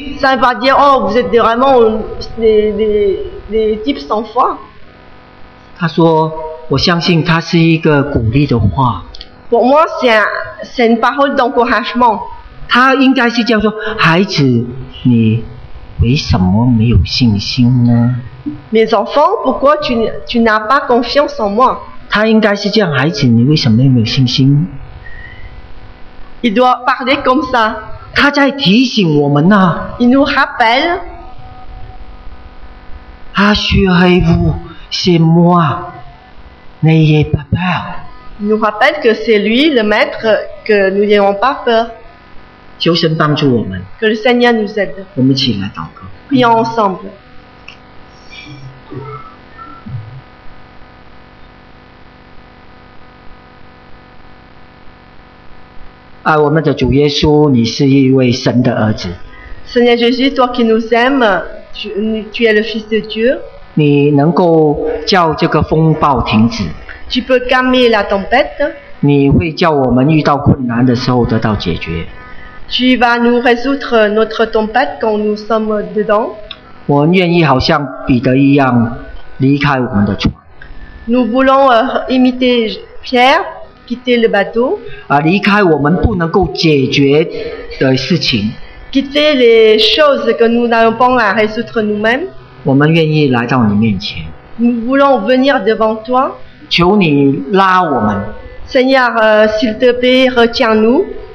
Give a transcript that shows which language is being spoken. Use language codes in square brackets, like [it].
[fr] Ça ne veut pas dire, oh, vous êtes vraiment des types sans foi. [zh] 他说，我相信他是一个鼓励的话。 [fr] Pour moi, c'est une parole d'encouragement. [zh] 他应该是这样说，孩子，你为什么没有信心呢？ [fr] Mes enfants, pourquoi tu n'as pas confiance en moi? [zh] 他应该是这样，孩子，你为什么没有信心？ [fr] Il doit parler comme ça. [zh] 他在提醒我们呢。 [fr] Il nous rappelle. 啊，是黑屋，是 moi， 你也 pas peur。 Il nous rappelle que c'est lui le maître que nous n'ayons pas peur. [zh] 求神帮助我们。 [fr] Que le Seigneur nous aide. [zh] 我们一起来祷告。 [fr] Prions ensemble. [zh] 爱我们的主耶稣，你是一位神的儿子。 [fr] Seigneur Jésus, toi qui nous aimes, tu es le Fils de Dieu. [zh] 你能够叫这个风暴停止。 [fr] Tu peux calmer la tempête. [zh] 你会叫我们遇到困难的时候得到解决。 [fr] Tu vas nous résoudre notre tempête quand nous sommes dedans. [zh] 我愿意好像彼得一样离开我们的船。 [fr] Nous voulons imiter Pierre. Quitter le bateau. [zh] 离开我们不能够解决的事情。 [fr] Quitter les choses que nous n'avons pas à résoudre nous-mêmes. [zh] 我们愿意来到你面前。 [fr] Nous voulons venir devant toi. [zh] 求你拉我们。 [fr] Seigneur, s'il te plaît, retiens-nous.